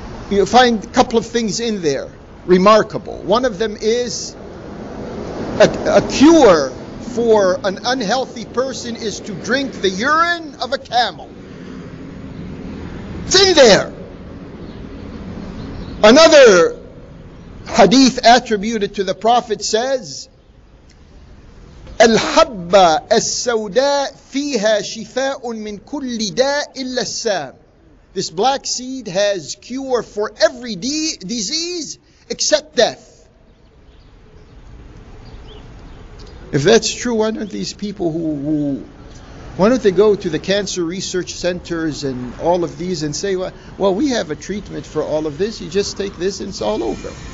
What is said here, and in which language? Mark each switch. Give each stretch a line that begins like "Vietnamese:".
English: You find a couple of things in there remarkable. One of them is a cure for an unhealthy person is to drink the urine of a camel. It's in there. Another hadith attributed to the Prophet says,
Arabic: الحبّة السوداء فيها شفاء من كل داء إلا السام.
English: This black seed has cure for every disease except death. If that's true, why don't these people why don't they go to the cancer research centers and all of these and say, well, we have a treatment for all of this, you just take this and it's all over.